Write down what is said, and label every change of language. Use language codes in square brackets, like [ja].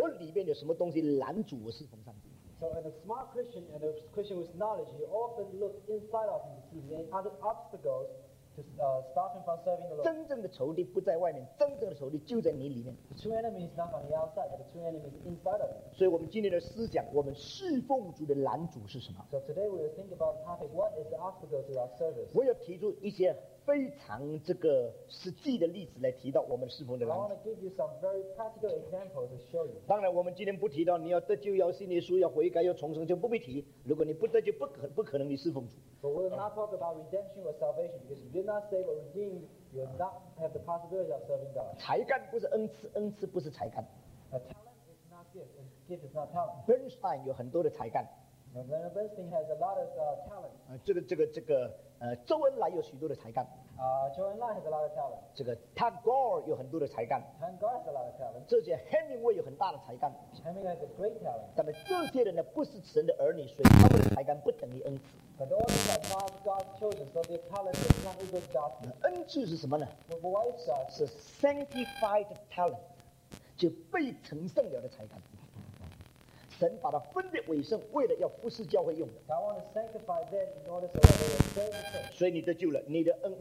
[zh] 所以一个聪明的基督徒，一个有见识的基督徒，他是常常看我里面有什么东西拦阻我侍奉上帝。 [en] So and a smart Christian and a Christian with knowledge, he often looks inside of him to see any other obstacles. Stop him from serving the Lord. [zh] 真正的仇敌不在外面，真正的仇敌就在你里面。The [en] true enemy is not on the outside, but the true enemy is inside of you. [zh] 所以我们今天的思想，我们侍奉主的拦阻是什么？ [en] So today we will think about the topic, what is the obstacle to our service? [zh] 我要提出一些非常这个实际的例子来提到我们侍奉的拦阻。 [en] I want to give you some very practical examples to show you. [zh] 当然我们今天不提到你要得救要信耶稣要悔改要重生就不必提，如果你不得救不可能你侍奉主。 [en] But we will not talk about redemption or salvation because if you're not saved or redeemed, you will not have the possibility of serving God. [zh] 才干不是恩赐，恩赐不是才干。 [en] A talent is not gift, and gift is not talent. [zh] Bernstein 有很多的才干。 [en] Leonard Bernstein has a lot of talent. [zh] 周恩来有许多的才干。 [en] Joe and Lai has a lot of talent. [zh] 这个 Tagore 有很多的才干。 [en] Tagore has a lot of talent. [zh] 这些 Hemingway 有很大的才干。 [en] Hemingway has a great talent. [zh] 但是这些人呢，不是神的儿女，所以他们的才干不等于恩赐。 [en] But all these are not God's children, so their talent is not equal to God's. [zh] 恩赐是什么呢？ [en] But what is God? [zh] 是 [en] sanctified talent， [zh] 就被成圣了的才干。神把它分别为圣，为了要服侍教会用的。 [en] God wants to sanctify them in order so that they will serve the church.